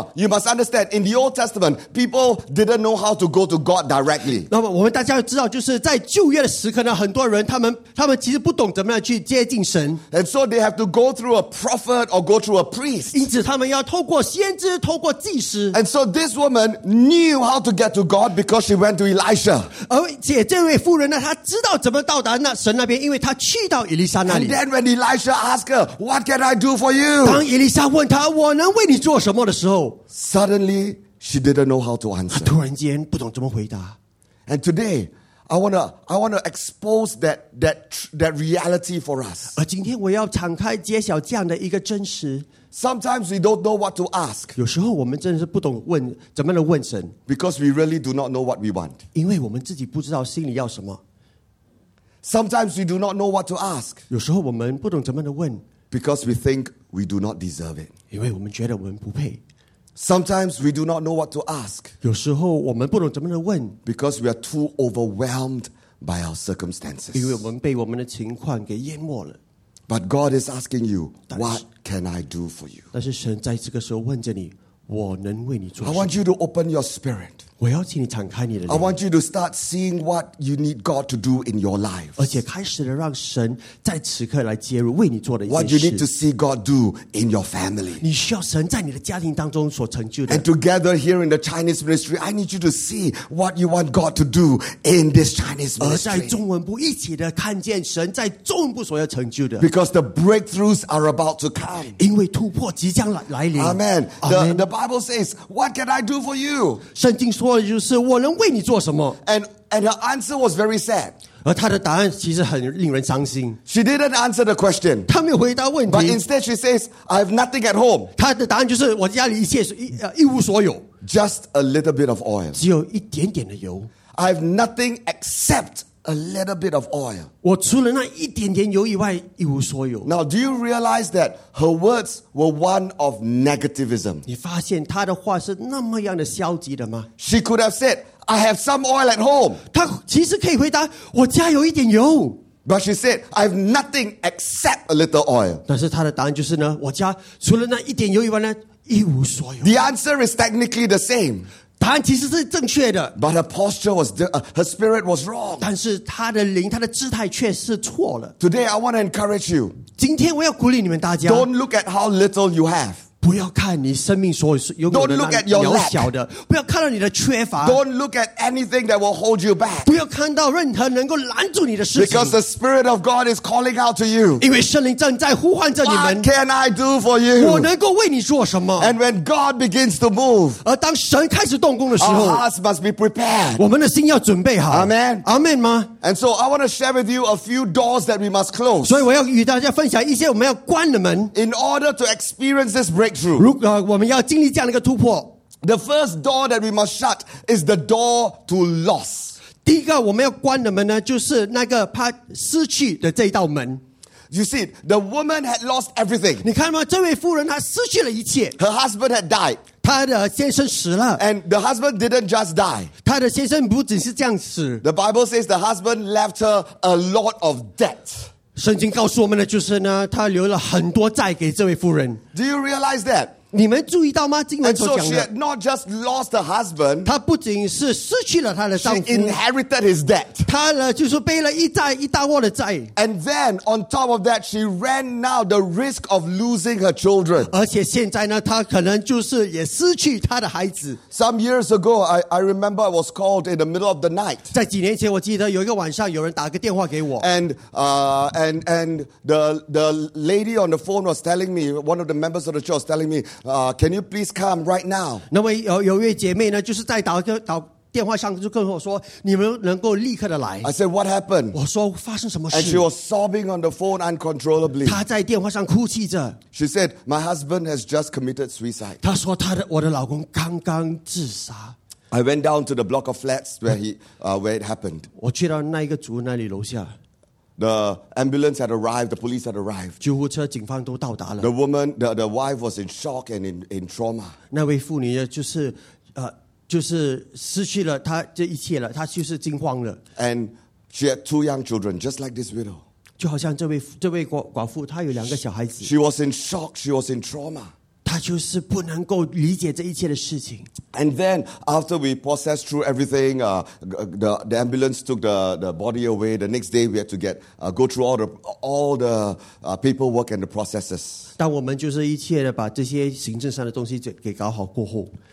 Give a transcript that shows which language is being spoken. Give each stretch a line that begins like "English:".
English: You must understand. In the Old Testament, people didn't know how to go to God directly.
Chinese: 那么我们大家要知道，就是在旧约的时刻呢，很多人他们其实不懂怎么样去接近神。
English: And so they have to go through a prophet or go through a priest.
Chinese: 因此他们要透过先知，透过祭司。
English: And so this woman knew how to get to God because she went to Elisha.
Chinese: 而且这位妇人呢，她知道怎么到达那神那边，因为她去到以利沙那里。
English: And then when Elisha asked her, "What can I do for you?"
Chinese: 当以利沙问她，我能为你做什么的时候。
English: Suddenly, she didn't know how to answer.
Chinese: 突然间不懂怎么回答。
English: And today, I wanna expose that reality for us.
Chinese: 而今天我要敞开揭晓这样的一个真实。
English: Sometimes we don't know what to ask.
Chinese: 有时候我们真的是不懂问怎么样的问神。
English: Because we really do not know what we want.
Chinese: 因为我们自己不知道心里要什么。
English: Sometimes we do not know what to ask.
Chinese: 有时候我们不懂怎么样的问。
English: Because we think we do not deserve it.
Chinese: 因为我们觉得我们不配。
English: Sometimes we do not know what to ask.
Chinese: 有时候我们不懂怎么来问。
English: Because we are too overwhelmed by our circumstances.
Chinese: 因为我们被我们的情况给淹没了。
English: But God is asking you, what can I do for you?
Chinese: 但是神在这个时候问着你，我能为你做什么？
English: I want you to open your spirit.
Chinese: 我要请你敞开你的灵。
English: I want you to start seeing what you need God to do in your life.
Chinese: 而且开始的让神在此刻来介入为你做的一件事。
English: What you need to see God do in your family.
Chinese: 你需要神在你的家庭当中所成就的。
English: And together here in the Chinese ministry, I need you to see what you want God to do in this Chinese ministry.
Chinese: 而在中文部一起的看见神在中文部所要成就的。
English: Because the breakthroughs are about to come.
Chinese: 因为突破即将来临。
English: Amen. The Bible says, "What can I do for you?"
Chinese: 圣经说的就是我能为你做什么。
English: And her answer was very sad.
Chinese: 而她的答案其实很令人伤心。
English: She didn't answer the question.
Chinese: 她没有回答问题。
English: But instead, she says, "I have nothing at home."
Chinese: 她的答案就是我家里一切一无所有。
English: Just a little bit of oil.
Chinese: 只有一点点的油。
English: I have nothing except a little bit of oil.
Chinese: 我除了那一点点油以外，一无所有。
English: Now, do you realize that her words were one of negativism?
Chinese: 你发现她的话是那么样的消极的吗？
English: She could have said, "I have some oil at home."
Chinese: 她其实可以回答，我家有一点油。
English: But she said, "I have nothing except a little oil."
Chinese: 但是她的答案就是呢，我家除了那一点油以外呢，一无所有。
English: The answer is technically the same.
Chinese: 答案其实是正确的。
English: But her posture was, her spirit was wrong.
Chinese: 但是她的灵，她的姿态却是错了。
English: Today I want to encourage you.
Chinese: 今天我要鼓励你们大家。
English: Don't look at how little you have.
Chinese: 不要看你生命所有的那渺小的。不要看到你的缺乏。
English: Don't look at anything that will hold you back.
Chinese: 不要看到任何能够拦住你的事情。
English: Because the Spirit of God is calling out to you.
Chinese: 因为圣灵正在呼唤着你们。
English: What can I do for you?
Chinese: 我能够为你做什么？
English: And when God begins to move.
Chinese: 而当神开始动工的时候。
English: Our hearts must be prepared.
Chinese: 我们的心要准备好。
English: Amen.
Chinese: Amen 吗？
English: And so I want to share with you a few doors that we must close.
Chinese: 所以我要与大家分享一些我们要关的门。
English: In order to experience this breakthrough.
Chinese: 我们要经历这样的一个突破。
English: The first door that we must shut is the door to loss.
Chinese: 第一个我们要关的门呢，就是那个怕失去的这一道门。
English: You see, the woman had lost everything.
Chinese: 你看吗？这位妇人她失去了一切。
English: Her husband had died.
Chinese: 她的先生死了。
English: And the husband didn't just die.
Chinese: 她的先生不只是这样死。
English: The Bible says the husband left her a lot of debt.
Chinese: 圣经告诉我们的就是呢，他留了很多债给这位妇人。
English: Do you realize that?
Chinese: 你们注意到吗？经文所讲的。
English: And so she had not just lost her husband.
Chinese: 她不仅是失去了她的丈夫。
English: She inherited his debt.
Chinese: 她呢，就是背了一债一大窝的债。
English: And then on top of that, she ran now the risk of losing her children.
Chinese: 而且现在呢，她可能就是也失去她的孩子。
English: Some years ago, I remember I was called in the middle of the night.
Chinese: 在几年前，我记得有一个晚上，有人打个电话给我。
English: And the lady on the phone was telling me, one of the members of the church was telling me. Can you please come right now?
Chinese: 那位有位姐妹呢，就是在打电话上就跟我说，你们能够立刻的来。
English: I said, what happened?
Chinese: 我说发生什么事。
English: And she was sobbing on the phone uncontrollably.
Chinese: 她在电话上哭泣着。
English: She said, my husband has just committed suicide.
Chinese: 她说我的老公刚刚自杀。
English: I went down to the block of flats where it happened.
Chinese: 我去到那一个组那里楼下。
English: The ambulance had arrived. The police had arrived.
Chinese: 救护车、警方都到达了。
English: The woman, the wife was in shock and in trauma.
Chinese: 那位妇女就是失去了她这一切了，她就是惊慌了。
English: And she had two young children, just like this widow.
Chinese: 就好像这位寡妇，她有两个小孩子。
English: She was in shock. She was in trauma.
Chinese: 她就是不能够理解这一切的事情。
English: And then after we processed through everything, the ambulance took the body away. The next day, we had to go through all the paperwork and the processes.
Chinese: 当我们就是一切的把这些行政上的东西给搞好过后。